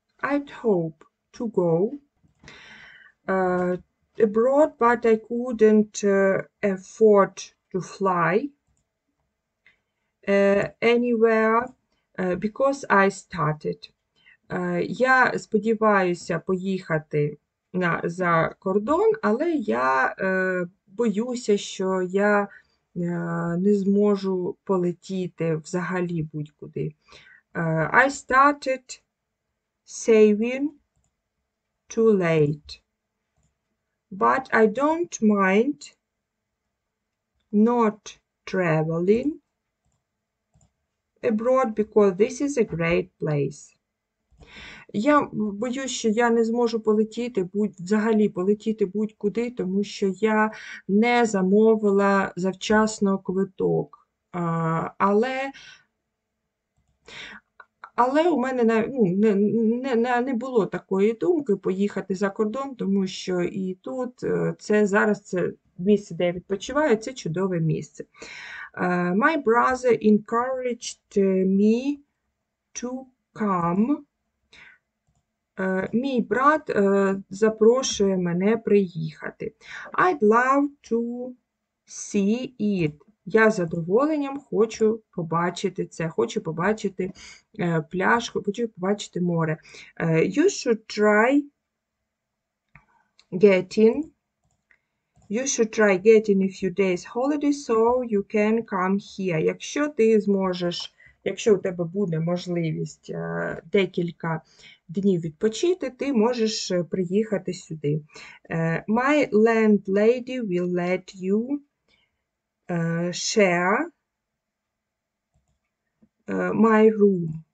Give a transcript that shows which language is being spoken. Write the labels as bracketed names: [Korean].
[English] I'd hope to go abroad, but I couldn't afford to fly anywhere because I started. [Ukrainian] Я сподіваюся поїхати за кордон, але я боюся, що я не зможу полетіти взагалі будь-куди. [English] I started saving too late, but I don't mind not traveling abroad because this is a great place. [Ukrainian] Я боюсь, що я не зможу полетіти, взагалі полетіти будь-куди, тому що я не замовила завчасно квиток. Але у мене не було такої думки поїхати за кордон, тому що і тут це місце, де я відпочиваю, це чудове місце. [English] My brother encouraged me to come. [Ukrainian] Мій брат запрошує мене приїхати. [English] I'd love to see it. [Ukrainian] Я з задоволенням хочу побачити це, хочу побачити пляж, хочу побачити море. [English] You should try getting a few days holiday so you can come here. [Ukrainian] Якщо ти зможеш, якщо у тебе буде можливість декілька днів відпочити, ти можеш приїхати сюди. [English] My landlady will let you share my room.